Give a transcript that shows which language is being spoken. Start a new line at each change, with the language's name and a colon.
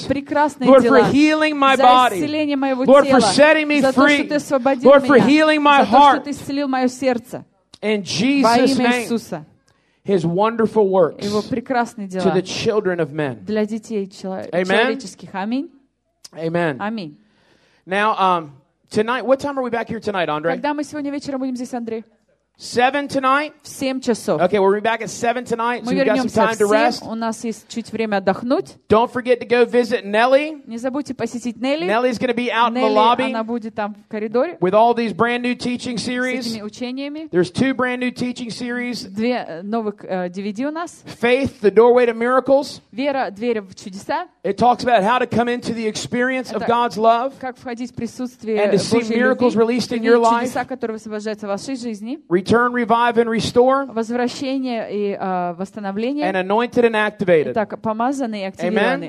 Russian: За твои прекрасные дела.
English: Lord, for healing my body.
Russian: За исцеление моего тела.
English: Lord, for setting me free.
Russian: За то, что ты освободил меня.
English: Lord, for healing my heart.
Russian: За то, что ты исцелил мое сердце.
English: In Jesus' name.
Russian: Во имя Иисуса.
English: His wonderful works.
Russian: Его прекрасные дела.
English: To the children of men.
Russian: Для детей человеческих. Аминь.
English: Amen.
Russian: Аминь.
English: Now, tonight, what time are we back here tonight, Andre?
Russian: Когда мы сегодня вечером будем здесь, Андрей?
English: 7 tonight?
Russian: В 7 часов.
English: Okay, we'll be back at 7 tonight, so we've got some time to rest.
Russian: У нас есть чуть время отдохнуть.
English: Don't forget to go visit Nelly.
Russian: Не забудьте посетить Нелли.
English: Nelly's going to be out in the lobby.
Russian: Она будет там в коридоре.
English: With all these brand new teaching series.
Russian: С этими учениями.
English: There's two brand new teaching series.
Russian: Две новых DVD у нас.
English: Faith, the doorway to miracles.
Russian: Вера, дверь в чудеса.
English: It talks about how to come into the experience of God's love.
Russian: Как входить в присутствие Божьей любви.
English: And to see miracles released in your life.
Russian: Чудеса, которые высвобождаются в вашей жизни.
English: Return, revive, and restore.
Russian: Возвращение и восстановление.
English: And anointed and activated.
Russian: Итак, помазанный и активированный.